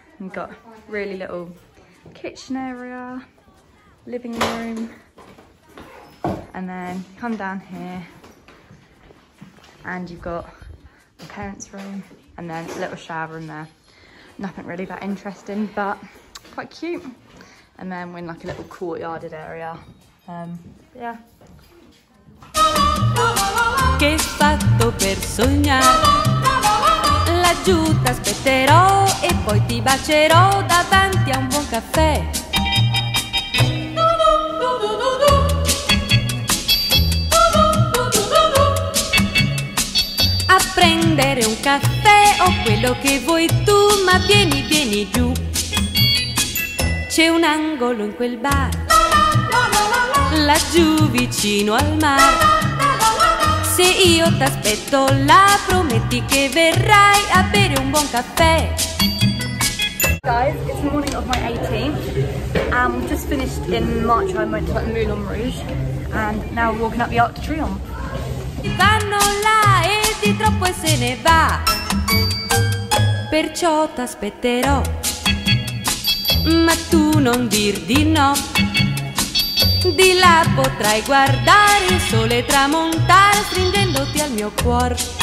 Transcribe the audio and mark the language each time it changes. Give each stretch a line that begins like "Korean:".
English: We've got really little kitchen area, living room, and then you come down here and you've got the parents' room and then a little shower room there. Nothing really that interesting, but quite cute. And then we're in like a little courtyarded area. Yeah.
Italian: Che fatto per sognar, laggiù t'aspetterò e poi ti bacerò davanti a un buon caffè. A prendere un caffè o quello che vuoi tu, ma vieni, vieni giù. C'è un angolo in quel bar, laggiù vicino al mare. Se io t'aspetto là, prometti che verrai a bere un buon caffè.
English: Guys, it's the morning of my 18th. Just finished in March when I went to Moulin Rouge. And now we're walking up the Arc de Triomphe.
Italian: Vanno là e di troppo e se ne va. Perciò t'aspetterò. Ma tu non dir di no. Di là potrai guardare il sole tramontare stringendoti al mio cuor.